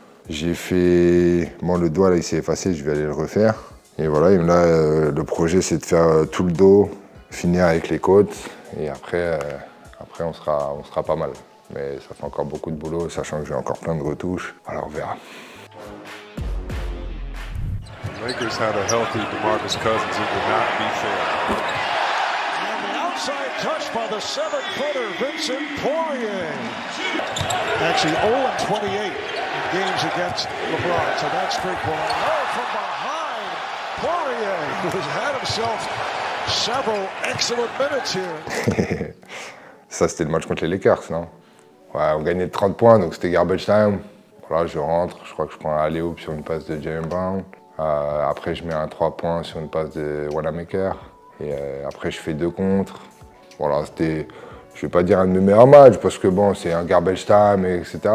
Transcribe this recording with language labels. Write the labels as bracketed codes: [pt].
[fr] J'ai fait... Bon, le doigt, là, il s'est effacé, je vais aller le refaire. Et voilà, et là, le projet, c'est de faire tout le dos, finir avec les côtes, et après on sera pas mal. Mais ça fait encore beaucoup de boulot, sachant que j'ai encore plein de retouches. Alors, on verra. [en] Lakers had a healthy DeMarcus Cousins. It would not be fair. Side touch by the 7-footer Vincent Poirier. Actually, 0-28 in games against LeBron. So that's three points. Oh, from behind, Poirier, who has had himself several excellent minutes here. [fr] Ça, c'était le match contre les Lakers, non? Ouais, on gagnait 30 points, donc c'était garbage time. Voilà, je rentre, je crois que je prends un alley-oop sur une passe de Jalen Brown. Après, je mets un 3 points sur une passe de Wanamaker. Et après, je fais deux contres. Voilà, c'était, je vais pas dire un de mes meilleurs matchs, parce que bon, c'est un garbage time, etc.